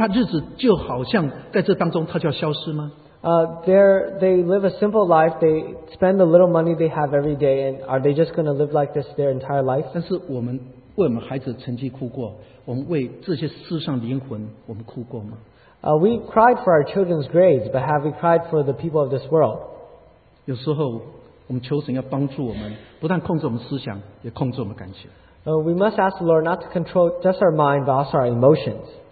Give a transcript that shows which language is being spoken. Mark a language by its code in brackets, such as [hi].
[zh] 他每天起来，坐下，靠用一点点的钱来过一个简单的生活，可他日子就好像在这当中，他就要消失吗？ [en] They live a simple life. They spend the little money they have every day, and are they just going to live like this their entire life? [zh] 但是我们为我们孩子成绩哭过，我们为这些世上灵魂，我们哭过吗？ [en] We cried for our children's grades, but have we cried for the people of this world? [zh] 有时候我们求神要帮助我们，不但控制我们思想，也控制我们感情。 [en] We must ask the Lord not to control just our mind, but also our emotions.